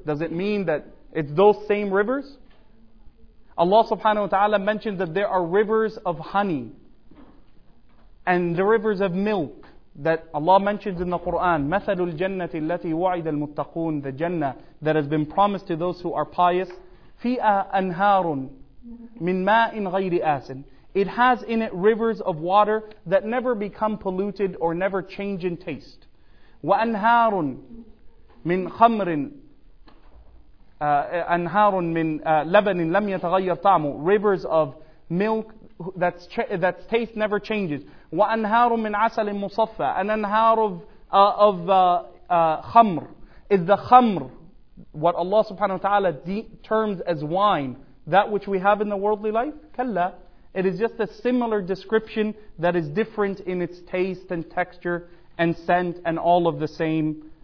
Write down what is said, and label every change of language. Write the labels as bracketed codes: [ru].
[en] Does it mean that it's those same rivers? Allah subhanahu wa ta'ala mentioned that there are rivers of honey and the rivers of milk that Allah mentions in the Quran. مَثَلُ الْجَنَّةِ الَّتِي وَعِدَ الْمُتَّقُونَ The Jannah that has been promised to those who are pious. فِيهَا أَنْهَارٌ مِنْ مَاءٍ غَيْرِ آسٍ It has in it rivers of water that never become polluted or never change in taste. [ar] وَأَنْهَارٌ مِنْ خَمْرٍ أَنْهَارٌ مِنْ لَبَنٍ لَمْ يَتَغَيَّرْ طَعْمُ Rivers of milk that taste never changes. [en] وَأَنْهَارٌ مِنْ عَسَلٍ مُصَفَّى An anhar of khamr. Is the khamr, what Allah subhanahu wa ta'ala terms as wine, that which we have in the worldly life? كَلَّا It is just a similar description that is different in its taste and texture and scent and all of the same.